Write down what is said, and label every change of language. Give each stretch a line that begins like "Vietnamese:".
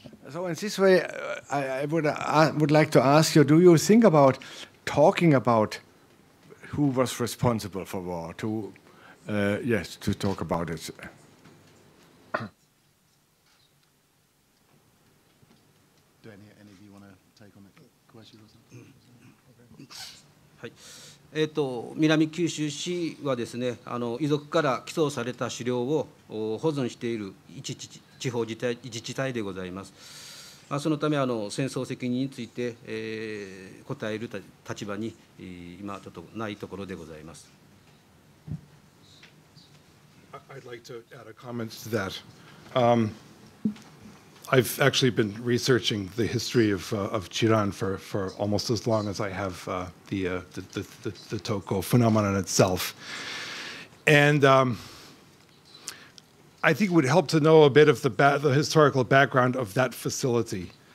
English: So in this way, I would like to ask you, do you think about talking about who was responsible for war? To talk about it. Do any of you want to take on that question or something? Okay. はい。
Japanese: 南九州市はですね、遺族から寄贈された資料を保存している地方自治体でございます。そのため戦争責任について、答える立場に今ちょっとないところでございます。
English: I'd like to add a comment to that. I've actually been researching the history of Chiran for almost as long as I have the Toko phenomenon itself. And I think it would help to know a bit of the historical background of that facility.